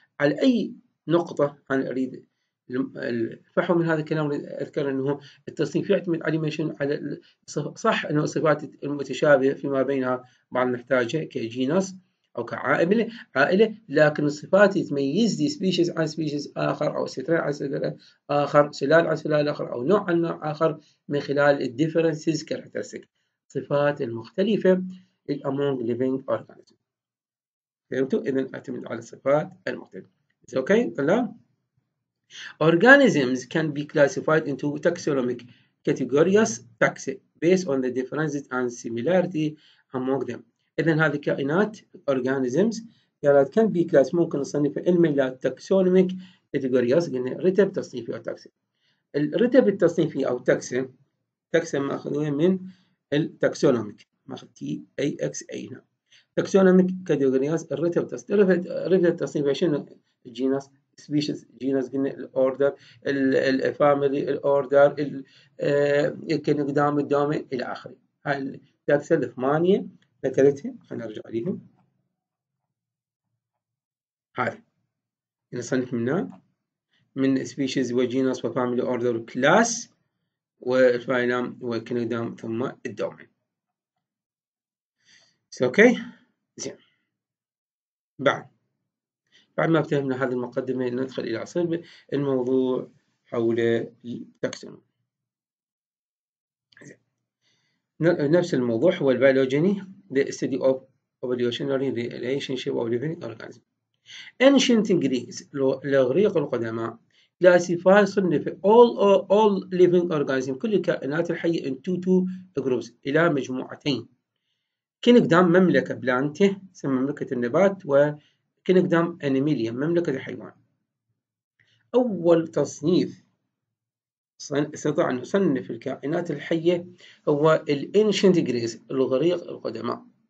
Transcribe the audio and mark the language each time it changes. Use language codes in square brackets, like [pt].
[ar] على أي نقطة أنا أريد الفحوى من هذا الكلام، اذكر انه التصنيف يعتمد على ميشن، على صح انه الصفات المتشابهه فيما بينها بعض نحتاجها كجينس او كعائله، لكن الصفات تميز دي سبيشيز عن سبيشيز اخر، او سترا عن سترا اخر، سلال عن سلال اخر، او نوع عن نوع اخر، من خلال [en] الديفرنسز كاركترستيك، [ar] الصفات المختلفه [en] الامونج living organism. [ar] فهمتوا؟ اذا اعتمد على الصفات المختلفه. اوكي طلاب، [en] organisms can be classified into taxonomic categories taxa based on the differences and similarity among them. [ar] إذن هذه الكائنات organisms كانت [en] can be classified، [ar] ممكن نصنفها إلى [en] taxonomic categories، [ar] قلنا رتب تصنيفي أو taxa. الرتب التصنيفي او تاكسن، تاكسن ماخذين من التاكسونوميك، ماخذ تي اي اكس اي. نعم تاكسونوميك كاتيجوريز، الرتب التصنيفي، الرتب التصنيفي شنو؟ الجينس سبيشيز، جينس قلنا، الاوردر، الفاميلي، الاوردر، الكينجدام، الدومين، الى اخره. هاي التاكسن الثمانيه ذكرتها، خلينا نرجع عليهم. هذا نصنف منها من سبيشيز وجينس وفاميلي اوردر كلاس والفايلم والكينجدام ثم الدومين. اوكي زين، بعد ما فهمنا هذه المقدمه ندخل الى صلب الموضوع حول التاكسون. نفس الموضوع هو البيولوجيني، [en] the study of evolutionary relationship of living organism. [ar] Ancient Greeks، الأغريق القدماء، classify صنف [en] all living organisms، [ar] كل الكائنات الحية، into two groups، إلى مجموعتين. Kingdom مملكة بلانتي، سمى مملكة النبات، و Kingdom أنيميليا مملكة الحيوان. أول تصنيف استطاع أن نصنف الكائنات الحية هو الـ Ancient Greeks، الأغريق القدماء.